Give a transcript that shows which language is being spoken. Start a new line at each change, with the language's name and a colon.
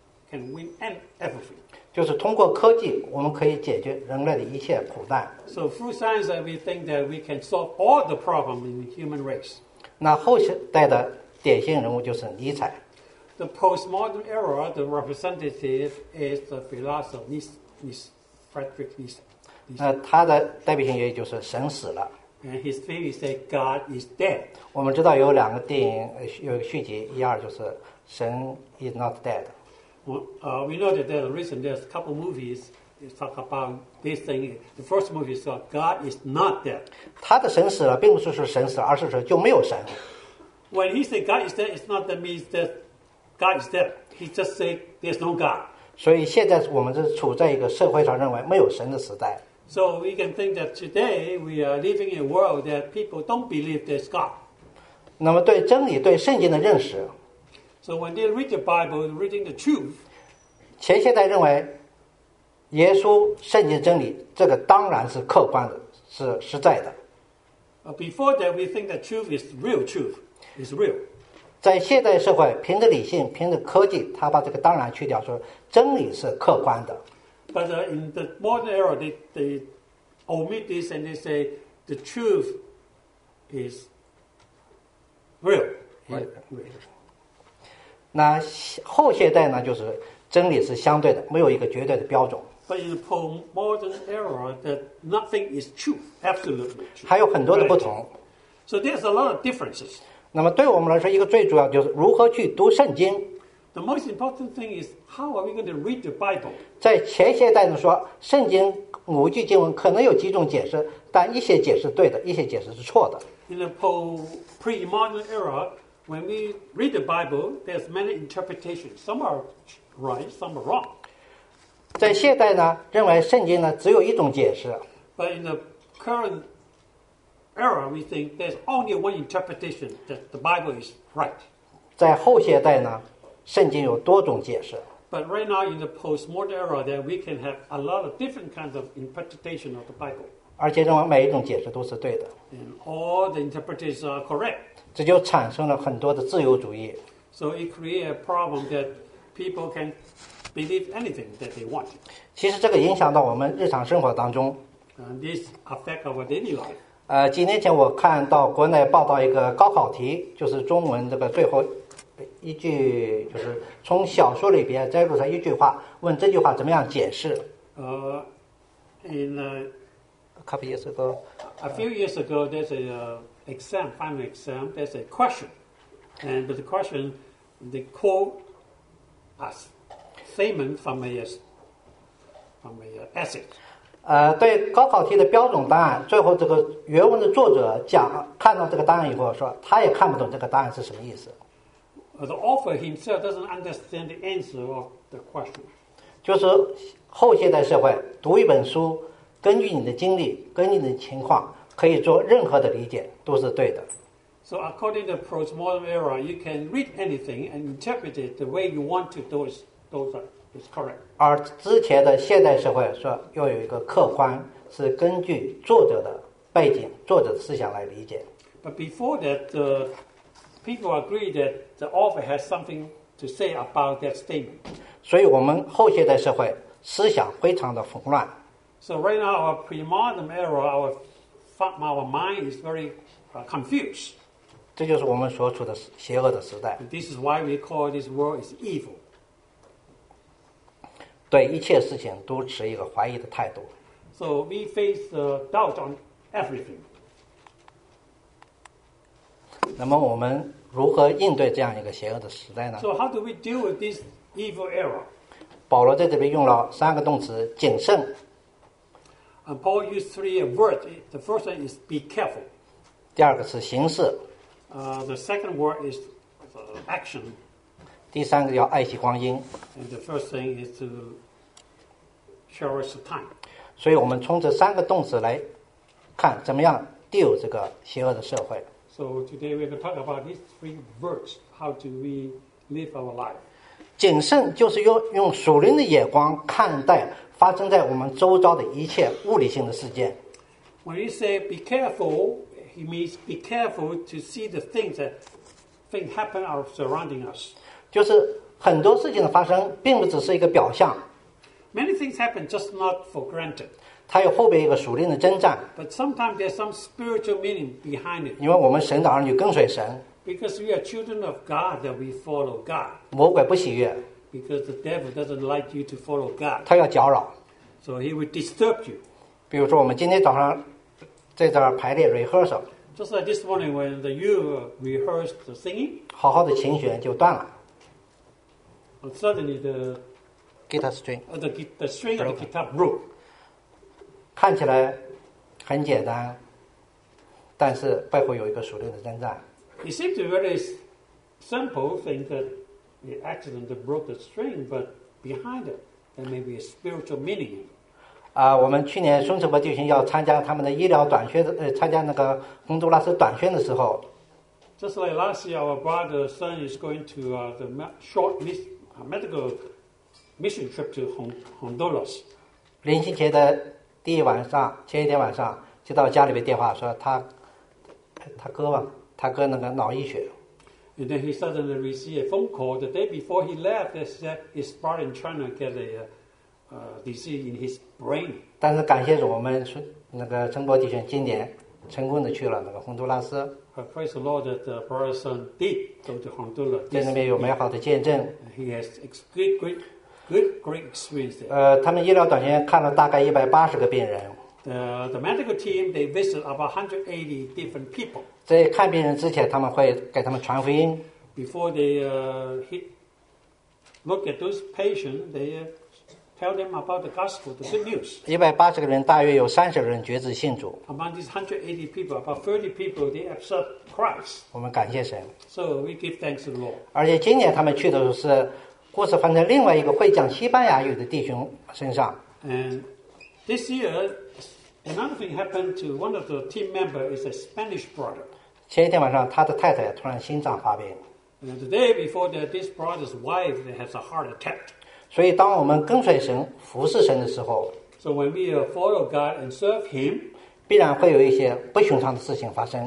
English: can win everything.
Chinese: 就是通过科技，我们可以解决人类的一切苦难。
English: So through science, that we think that we can solve all the problems in the human race.
Chinese: 那后代的典型人物就是尼采。
English: The postmodern era, the representative is the philosopher Friedrich Nietzsche.
Chinese: 那他的代表性也就是神死了。
English: And his theory is that God is dead.
Chinese: 我们知道有两个电影，有续集，一二就是神
English: is not dead. We know that there's a reason. There's a couple movies that talk about this thing. The first movie is called God is not dead.
Chinese: 他的神死了，并不是说神死了，而是说就没有神。
English: When he said God is dead, it's not that means that God is dead. He just said there's no God.
Chinese: 所以现在我们是处在一个社会上认为没有神的时代。
English: So we can think that today we are living in a world that people don't believe there's God.
Chinese: 那么对真理、对圣经的认识。
English: So when they read the Bible, reading the truth.
Chinese: 前现代认为耶稣、圣经、真理，这个当然是客观的，是实在的。
English: Before that, we think that truth is real truth, is real.
Chinese: 在现代社会，凭着理性、凭着科技，他把这个当然去掉，说真理是客观的。
English: But in the modern era, they omit this and they say the truth is real. Right.
Chinese: 那后现代呢？就是真理是相对的，没有一个绝对的标准。
English: But in the postmodern era, that nothing is truth, absolutely true.
Chinese: 还有很多的不同。
English: Right. So there's a lot of differences.
Chinese: 那么对我们来说，一个最主要就是如何去读圣经。
English: The most important thing is how are we going to read the Bible?
Chinese: 在前些代呢说，圣经某句经文可能有几种解释，但一些解释对的，一些解释是错的。
English: In the pre-modern era, when we read the Bible, there's many interpretations. Some are right, some are wrong.
Chinese: 在现代呢，认为圣经呢只有一种解释。
English: But in the current era, we think there's only one interpretation that the Bible is right.
Chinese: 在后现代呢？圣经有多种解释。
English: But right now in the postmodern era, that we can have a lot of different kinds of interpretation of the Bible.
Chinese: 而且认为每一种解释都是对的。
English: And all the interpretations are correct.
Chinese: 这就产生了很多的自由主义。
English: So it creates a problem that people can believe anything that they want.
Chinese: 其实这个影响到我们日常生活当中。
English: And this affects our daily life.
Chinese: 几年前我看到国内报道一个高考题，就是中文这个最后。一句就是从小说里边摘录出一句话，问这句话怎么样解释？
English: In a couple years ago, a few years ago, there's a exam, final exam. There's a question, and the question, they quote a statement from a essay.
Chinese: 对高考题的标准答案，最后这个原文的作者讲，看到这个答案以后说，他也看不懂这个答案是什么意思。
English: The author himself doesn't understand the answer of the question.
Chinese: 就是后现代社会，读一本书，根据你的经历，根据你的情况，可以做任何的理解，都是对的。
English: So according to the postmodern era, you can read anything and interpret it the way you want to. Those are correct.
Chinese: 而之前的现代社会说要有一个客观，是根据作者的背景、作者的思想来理解。
English: But before that, people agree that the author has something to say about that statement.
Chinese: 所以我们后现代社会思想非常的混乱。
English: So right now, our pre-modern era, our mind is very confused.
Chinese: 这就是我们所处的邪恶的时代。
English: This is why we call this world is evil.
Chinese: 对一切事情都持一个怀疑的态度。
English: So we face doubt on everything.
Chinese: 那么我们如何应对这样一个邪恶的时代呢？
English: So how do we deal with this evil era?
Chinese: 保罗在这里用了三个动词，谨慎。
English: And Paul used three words. The first one is be careful.
Chinese: 第二个是行事。
English: The second word is action.
Chinese: 第三个叫爱惜光阴。
English: And the first thing is to cherish time.
Chinese: 所以我们从这三个动词来看，怎么样 deal 这个邪恶的社会。
English: So today we're going to talk about these three words. How do we live our life?
Chinese: 谨慎就是用属灵的眼光看待发生在我们周遭的一切物理性的事件。
English: When you say be careful, he means be careful to see the things that happen are surrounding us.
Chinese: 就是很多事情的发生并不只是一个表象。
English: Many things happen just not for granted.
Chinese: 它有后边一个属灵的征战。
English: But sometimes there's some spiritual meaning behind it.
Chinese: 因为我们神的儿女跟随神。
English: Because we are children of God that we follow God.
Chinese: 魔鬼不喜悦。
English: Because the devil doesn't like you to follow God.
Chinese: 他要搅扰。
English: So he will disturb you.
Chinese: 比如说我们今天早上在这儿排练 rehearsal.
English: Just like this morning when the you rehearsed the singing.
Chinese: 好好的琴弦就断了。
English: And suddenly the guitar string, the string of the guitar broke.
Chinese: 看起来很简单，但是背后有一个属灵的征战。
English: It seems a very simple thing that the accident broke the string, but behind it, there may be a spiritual meaning.
Chinese: 我们去年孙成伯弟兄要参加他们的医疗短宣的，参加那个洪都拉斯短宣的时候。
English: Just like last year, our brother's son is going to the short miss. Medical mission trip to Honduras.
Chinese: 临行前的第一晚上，前一天晚上接到家里面电话，说他哥那个脑溢血。
English: And then he suddenly received a phone call the day before he left. They said his brother in China get a disease in his brain.
Chinese: 但是感谢主，我们那个陈伯弟兄今年成功的去了那个洪都拉斯。
English: Praise the Lord that the person did go to Honduras.
Chinese: 在那边有美好的见证。
English: He has great experience there.
Chinese: 他们医疗短宣看了大概180个病人。
English: The medical team they visit about 180 different people.
Chinese: 在看病人之前，他们会给他们传福音。
English: Before they look at those patients, they tell them about the gospel, the good news.
Chinese: 180个人，大约有30个人决志信主。
English: Among these 180 people, about 30 people they accept Christ.
Chinese: 我们感谢神。
English: So we give thanks to the Lord.
Chinese: 而且今年他们去的是，故事发生在另外一个会讲西班牙语的弟兄身上。
English: And this year, another thing happened to one of the team members is a Spanish brother.
Chinese: 前一天晚上，他的太太突然心脏发病。
English: And the day before that, this brother's wife has a heart attack.
Chinese: 所以当我们跟随神服侍神的时候
English: So when we follow God and serve Him
Chinese: 必然会有一些不寻常的事情发生